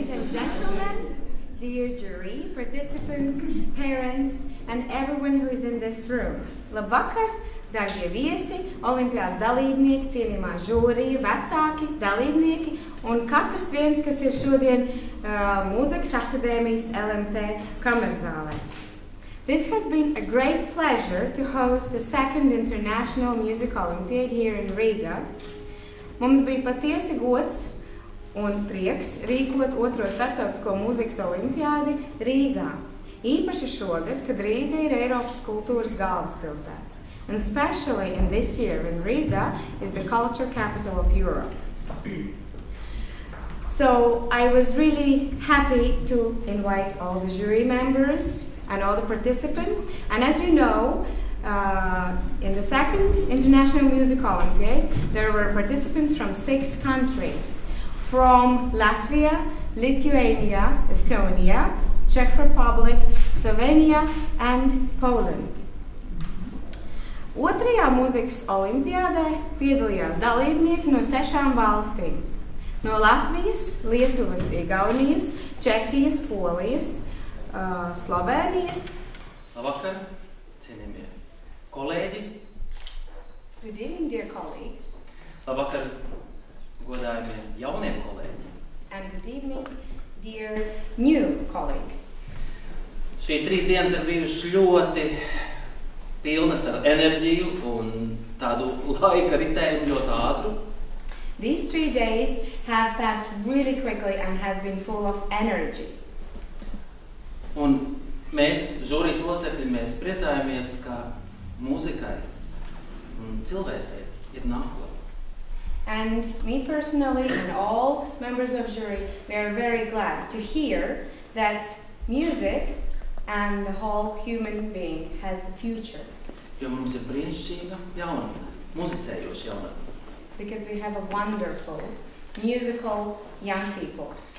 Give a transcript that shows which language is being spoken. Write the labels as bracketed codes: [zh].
[en] gentlemen, dear jury, participants, parents, and everyone who is in this room. [lv] Labvakar, darbie viesi, olimpiādes dalībnieki, cienījumā žūrija, vecāki, dalībnieki, un katrs viens, kas ir šodien Mūzikas akadēmijas LMT kamerzālē. [en] This has been a great pleasure to host the second International Music Olympiad here in Riga. [lv] Mums bija patiesi gods un prieks rīkot otro starptautisko mūzikas olimpiādi Rīgā. Īpaši šogad, kad Rīga ir Eiropas kultūras galvaspilsēta. [en] And especially in this year when Riga is the culture capital of Europe. So I was really happy to invite all the jury members and all the participants. And as you know, in the second International Music Olympiad, there were participants from six countries, from Latvia, Lithuania, Estonia, Czech Republic, Slovenia, and Poland. [lv] Otrajā mūzikas olimpiādē piedalījās dalībnieki no sešām valstīm. No Latvijas, Lietuvas, Igaunijas, Čehijas, Polijas, Slovēnijas. Labvakar, cienījamie kolēģi. [en] Good evening, dear colleagues. [lv] Labvakar, godājumie jaunie kolēģi. [en] And good evening, dear new colleagues. [lv] Šīs trīs dienas ir bijušas ļoti pilnas ar enerģiju un tādu laika ritēju ļoti ātru. [en] These three days have passed really quickly and has been full of energy. [lv] Un mēs, žūrijas locekļi, mēs priecājamies, ka mūzikai un cilvēcei ir nākotne. [en] And me personally and all members of jury, we are very glad to hear that music and the whole human being has the future. [lv] Jo mums ir brīnišķīga jaunatne, muzicējoša jaunatne. [en] Because we have a wonderful musical young people.